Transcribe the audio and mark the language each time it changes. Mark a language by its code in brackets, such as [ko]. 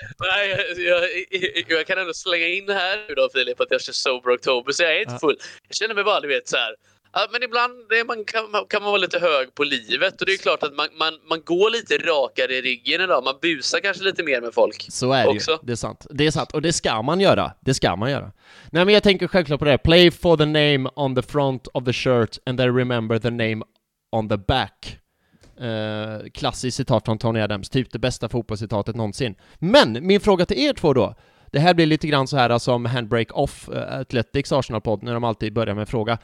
[sv] Nej, jag kan ändå slänga in här nu då, Filip, att jag känner sober oktober, så jag är inte full. Jag känner mig bara, du vet, så här. Men ibland kan man vara lite hög på livet, och det är klart att man går lite rakare i ryggen idag. Man busar kanske lite mer med folk. Så är det också. Ju. Det är sant. Det är sant, och det ska man göra. Det ska man göra. Nej, men jag tänker självklart på det. [en] Play for the name on the front of the shirt and then remember the name on the back. [sv] Klassiskt citat från Tony Adams, typ det bästa fotbollscitatet någonsin. Men min fråga till er två då. Det här blir lite grann så här som alltså, Handbrake Off Athletics Arsenal-podd när de alltid börjar med fråga.